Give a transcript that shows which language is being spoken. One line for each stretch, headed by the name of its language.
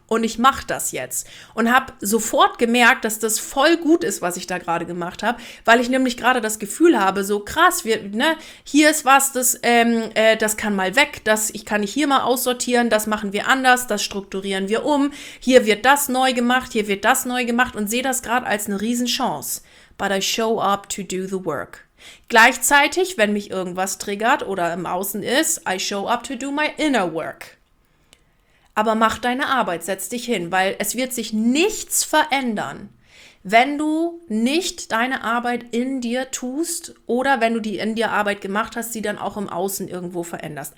German: Und ich mache das jetzt. Und habe sofort gemerkt, dass das voll gut ist, was ich da gerade gemacht habe. Weil ich nämlich gerade das Gefühl habe, so krass, hier ist was, das kann mal weg. Ich kann nicht hier mal aussortieren. Das machen wir anders. Das strukturieren wir um. Hier wird das neu gemacht. Hier wird das neu gemacht. Und sehe das gerade als eine Riesenchance.
English: But I show up to do the work.
German: Gleichzeitig, wenn mich irgendwas triggert oder im Außen ist,
English: I show up to do my inner work.
German: Aber mach deine Arbeit, setz dich hin, weil es wird sich nichts verändern, wenn du nicht deine Arbeit in dir tust oder wenn du die in dir Arbeit gemacht hast, sie dann auch im Außen irgendwo veränderst.